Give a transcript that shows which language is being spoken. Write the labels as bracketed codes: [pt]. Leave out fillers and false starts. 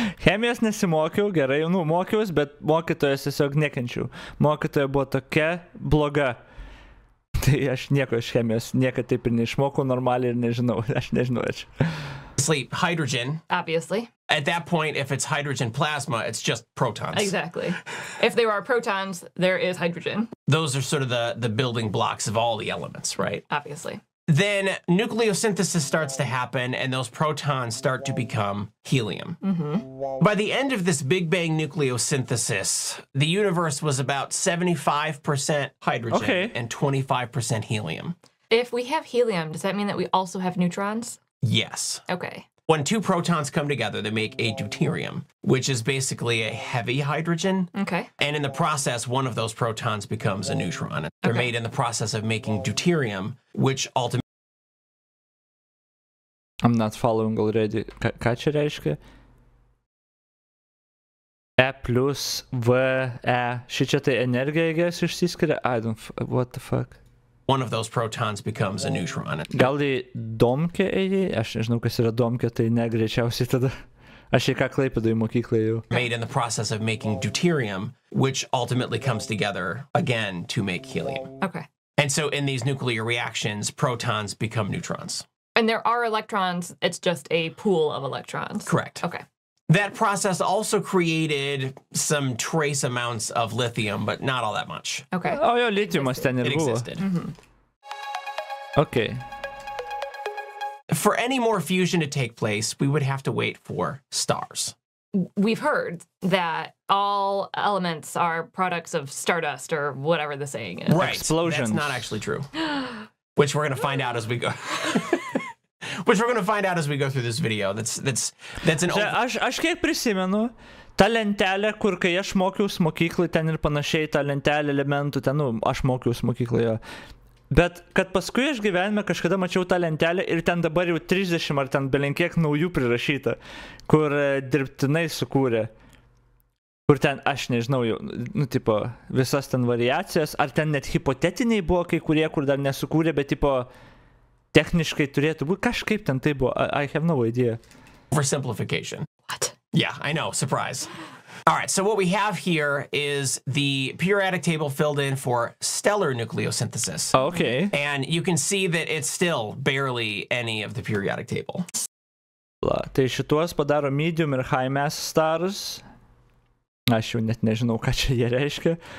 [lt] Chemijos nesimokiau, gerai, nu, mokiaus, bet mokytojas tiesiog nekenčiau. Mokytoja buvo tokia bloga. Tai aš nieko iš chemijos, niekad taip ir neišmokau normaliai ir nežinau. Aš nežinau, aš. [en] Sleep, hydrogen. Obviously. At that point, if it's hydrogen plasma, it's just protons. Exactly. If there are protons, there is hydrogen. Those are sort of the building blocks of all the elements, right? Obviously. Then nucleosynthesis starts to happen, and those protons start to become helium. Mm-hmm. By the end of this Big Bang nucleosynthesis, the universe was about 75% hydrogen and 25% helium. If we have helium, does that mean that we also have neutrons? Yes. Okay. When two protons come together, they make a deuterium, which is basically a heavy hydrogen. Okay. And in the process, one of those protons becomes a neutron. They're made in the process of making deuterium, which ultimately... I'm not following already. [lt] Ką čia reiškia? E plus V, E. Šičia tai energija, [en] I guess, [lt] išsiskiria? [en] I don't... What the fuck? One of those protons becomes a neutron. [lt] Gal į domkę ėjai? Aš nežinau, kas yra domkė, tai negrečiausiai tada. Aš jį ką Klaipėdui mokyklai jau. [en] Made in the process of making deuterium, which ultimately comes together again to make helium. Okay. And so in these nuclear reactions, protons become neutrons. And there are electrons, it's just a pool of electrons. Correct. Okay. That process also created some trace amounts of lithium, but not all that much. Okay. Oh, yeah, lithium was ten years ago. It existed. Mm-hmm. Okay. For any more fusion to take place, we would have to wait for stars. We've heard that all elements are products of stardust or whatever the saying is. Right. Explosions. That's not actually true. Which we're going to find out as we go. Which we're going to find out as we go through this video. That's an old... [lt] Aš kiek prisimenu, ta lentelė, kur kai aš mokiaus mokyklai, ten ir panašiai, ta lentelė elementų, ten, nu, aš mokiaus mokyklai, jo. Bet kad paskui aš gyvenime kažkada mačiau tą lentelę ir ten dabar jau 30 ar ten belenkiek naujų prirašyta, kur dirbtinai sukūrė. Kur ten, aš nežinau, jau, nu, tipo, visas ten variacijas, ar ten net hipotetiniai buvo kai kurie, kur dar nesukūrė, bet tipo... Techniškai turėtų būti kažkaip ten taip buvo. [en] I have no idea. For simplification. What? Yeah, I know. Surprise. All right, so what we have here is the periodic table filled in for stellar nucleosynthesis. Okay. And you can see that it's still barely any of the periodic table. [lt] Tai šituos padaro medium ir [en] high mass stars. [lt] Aš jau net nežinau, ką čia jie reiškia.